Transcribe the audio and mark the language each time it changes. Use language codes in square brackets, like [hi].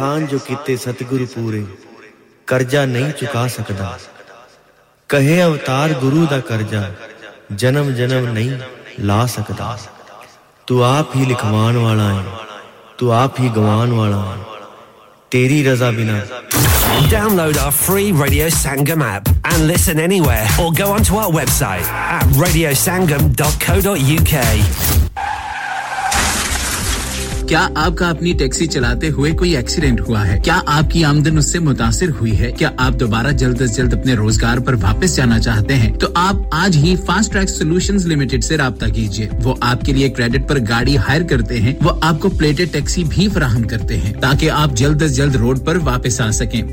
[pa] ਜੋ ਕੀਤੇ ਸਤਿਗੁਰ ਪੂਰੇ ਕਰਜ਼ਾ ਨਹੀਂ ਚੁਕਾ ਸਕਦਾ ਕਹੇ ਅਵਤਾਰ ਗੁਰੂ ਦਾ ਕਰਜ਼ਾ ਜਨਮ ਜਨਮ ਨਹੀਂ ਲਾ ਸਕਦਾ ਤੂੰ ਆਪ ਹੀ ਲਿਖਵਾਉਣ ਵਾਲਾ ਹੈ ਤੂੰ ਆਪ ਹੀ ਗਵਾਉਣ ਵਾਲਾ ਹੈ ਤੇਰੀ ਰਜ਼ਾ ਬਿਨਾ [en] Download our free Radio Sangam app and listen anywhere or go onto our website at radiosangam.co.uk [hi] क्या आपका अपनी टैक्सी चलाते हुए कोई एक्सीडेंट हुआ है क्या आपकी आमदनी उससे मुतासिर हुई है क्या आप दोबारा जल्द से जल्द अपने रोजगार पर वापस जाना चाहते हैं तो आप आज ही फास्ट ट्रैक सॉल्यूशंस लिमिटेड से राबता कीजिए वो आपके लिए क्रेडिट पर गाड़ी हायर करते हैं वो आपको प्लेटेड टैक्सी भी प्रदान करते हैं ताकि आप जल्द से जल्द रोड पर वापस आ सकें